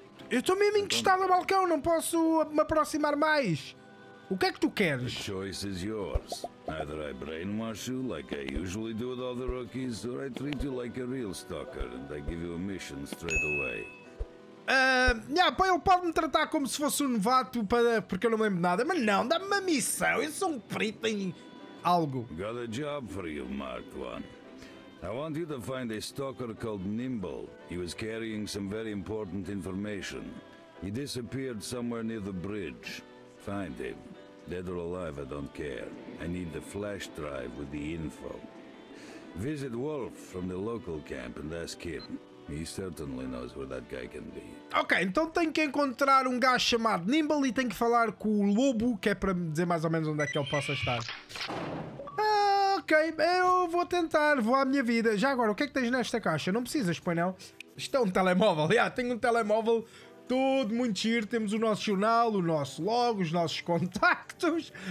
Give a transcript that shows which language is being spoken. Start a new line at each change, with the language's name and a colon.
Portuguese: Eu estou mesmo encostado ao balcão, não posso me aproximar mais. O que é que tu queres?
English: A choice is yours. Either I brainwash you like I usually do with all the rookies, or I treat you like a real stalker and I give you a mission straight away.
Portuguese: Pá, ele pode me tratar como se fosse um novato para, porque eu não lembro nada, mas não, dá-me uma missão, eu sou um perito em algo.
English: Got a job for you, Mark One. I want you to find a stalker called Nimble. He was carrying some very important information. He disappeared somewhere near the bridge. Find him. Dead or alive, I don't care. I need the flash drive with the info. Visit Wolf from the local camp and ask him. He certainly knows where that guy can be.
Portuguese: Ok, então tenho que encontrar um gajo chamado Nimble e tenho que falar com o Lobo, que é para me dizer mais ou menos onde é que ele possa estar. Ok, eu vou tentar, vou à minha vida. Já agora, o que é que tens nesta caixa? Não precisas, painel. Isto é um telemóvel. Já, tenho um telemóvel todo muito giro. Temos o nosso jornal, o nosso logo, os nossos contactos.